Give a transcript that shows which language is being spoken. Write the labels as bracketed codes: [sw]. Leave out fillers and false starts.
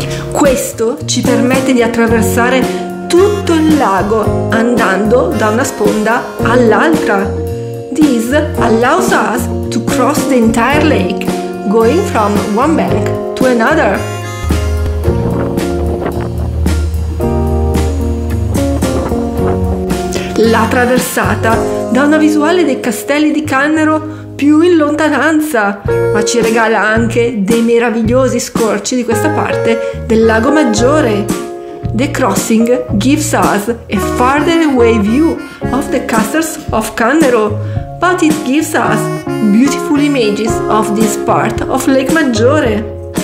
[it] Questo ci permette di attraversare tutto il lago andando da una sponda all'altra. [en] This allows us to cross the entire lake, going from one bank to another. [it] La traversata dà una visuale dei castelli di Cannero più in lontananza, ma ci regala anche dei meravigliosi scorci di questa parte del Lago Maggiore. [en] The crossing gives us a farther away view of the castles of Cannero, but it gives us beautiful images of this part of Lake Maggiore.